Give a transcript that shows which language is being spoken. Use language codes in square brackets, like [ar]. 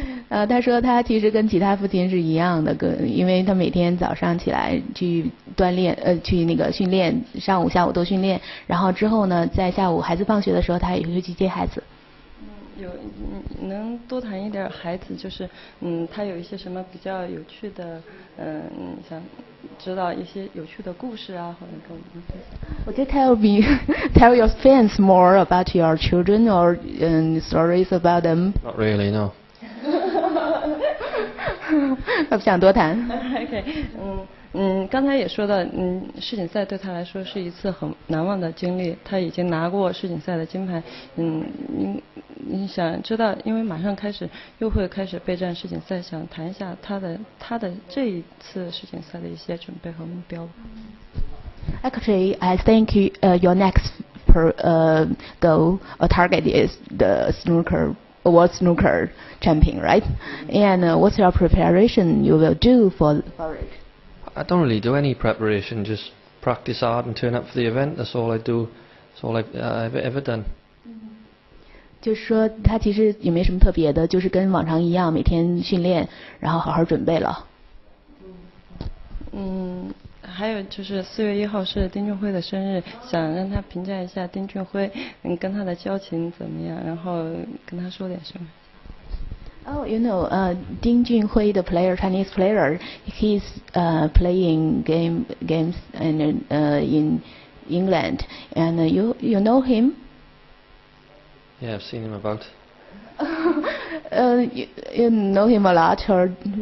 [zh] 他说他其实跟其他父亲是一样的，因为他每天早上起来去锻炼，去那个训练，上午下午都训练，然后之后呢，在下午孩子放学的时候，他也会去接孩子。有能多谈一点孩子，就是他有一些什么比较有趣的，想知道一些有趣的故事啊，或者跟我们分享。 [en] Would you tell your fans more about your children or stories about them? Not really, no. [zh] 他不想多谈。 OK， 刚才也说到，世锦赛对他来说是一次很难忘的经历。他已经拿过世锦赛的金牌，你想知道，因为马上开始又会开始备战世锦赛，想谈一下他的这一次世锦赛的一些准备和目标。 [en] Actually, I think your next goal or target is the snooker. World snooker champion, right? And what's your preparation you will do for it? I don't really do any preparation, just practice hard and turn up for the event. That's all I do. That's all I've ever done. [zh] 就是说他其实也没什么特别的，就是跟往常一样，每天训练，然后好好准备了。还有就是4月1号是丁俊晖的生日，想让他评价一下丁俊晖，跟他的交情怎么样，然后跟他说点什么。 [en] Oh, you know, Ding Junhui, the player, Chinese player, he's playing games and in England, and you know him? Yeah, I've seen him about. you know him a lot, or?